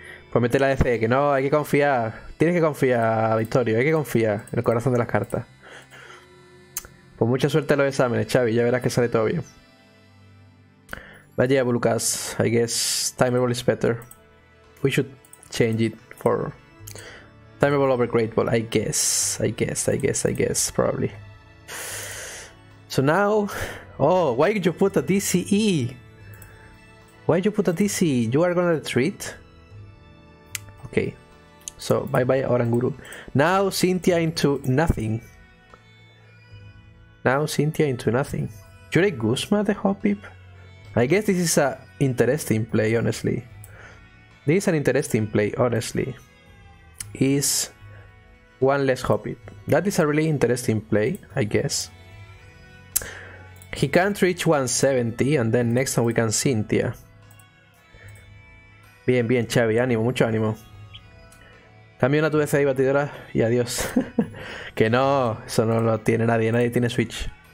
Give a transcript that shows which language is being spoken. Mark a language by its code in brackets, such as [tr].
[es] Pues mete la DC, que no, hay que confiar. Tienes que confiar, Victorio, hay que confiar en el corazón de las cartas. Pues mucha suerte a los exámenes, Chavi, ya verás que sale todo bien. [en] But yeah, Lucas, I guess timerball is better. We should change it for timerball over great ball, I guess, probably. So now, oh, why did you put a DCE? Why did you put a DCE? You are gonna retreat? Okay, so bye bye, Oranguru. Now Cynthia into nothing. You like Guzma the Hoppip? I guess this is a interesting play, honestly. Is one less Hoppip. That is a really interesting play, I guess. He can't reach 170, and then next time we can Cynthia. [es] Bien, bien, Chavi, ánimo, mucho ánimo. Cambio una tu DC y batidora y adiós. Que no, eso no lo tiene nadie, nadie tiene Switch.